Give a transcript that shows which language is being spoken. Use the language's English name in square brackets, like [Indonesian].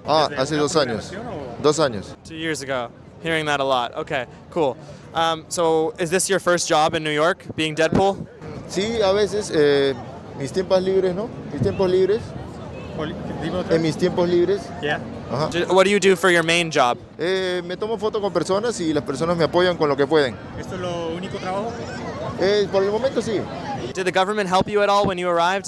[Spanish] Hace dos años. [English] 2 years ago. Hearing that a lot. Okay, cool. So is this your first job in New York, being Deadpool? [Spanish] Sí, a veces, mis tiempos libres, ¿no? Mis tiempos libres. En mis tiempos libres. [English] Yeah. Uh-huh. What do you do for your main job? [Spanish] Me tomo foto con personas y las personas me apoyan con lo que pueden. ¿Esto es lo único trabajo? Por el momento, sí. [English] Did the government help you at all when you arrived?